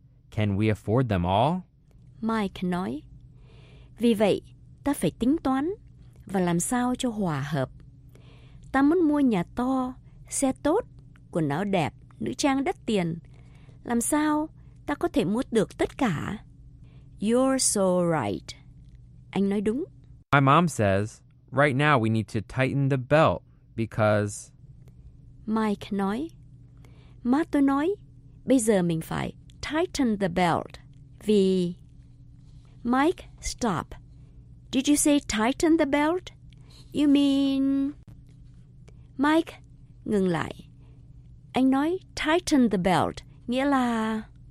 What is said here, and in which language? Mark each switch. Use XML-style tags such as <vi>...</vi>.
<en>Can we afford them all?</en> <vi>Mike nói, vì vậy, ta phải tính toán và làm sao cho hòa hợp. Ta muốn mua nhà to, xe tốt, quần áo đẹp, nữ trang đắt tiền. Làm sao ta có thể mua được tất cả?</vi> <en>You're so right.</en> <vi>Anh nói đúng.</vi> <en>My mom says, right now we need to tighten the belt because...</en> <vi>Mike nói, má tôi nói, bây giờ mình phải</vi> <en>tighten the belt</en> <vi>vì...</vi> <en>Mike, stop. Did you say tighten the belt? You mean... Mike,</en> <vi>ngừng lại. Anh nói</vi> <en>tighten the belt,</en> <vi>nghĩa là...</vi>